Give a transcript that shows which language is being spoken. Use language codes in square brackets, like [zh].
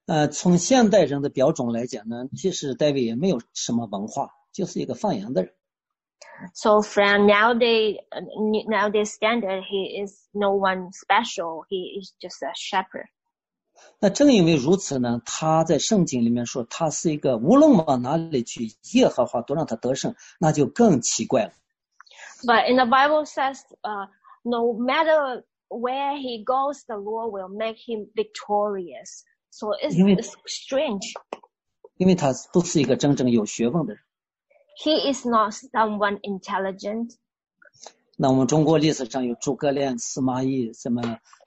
[zh] 从现代人的标准来讲呢，其实大卫也没有什么文化，就是一个放羊的人。 [en] So from nowadays standard, he is no one special. He is just a shepherd. [zh] 那正因为如此呢，他在圣经里面说他是一个无论往哪里去，耶和华都让他得胜，那就更奇怪了。 [en] But in the Bible says, no matter where he goes, the Lord will make him victorious. So it's strange. [zh] 因为他不是一个真正有学问的人。 [en] He is not someone intelligent. [zh] 那我们中国历史上有诸葛亮、司马懿什么？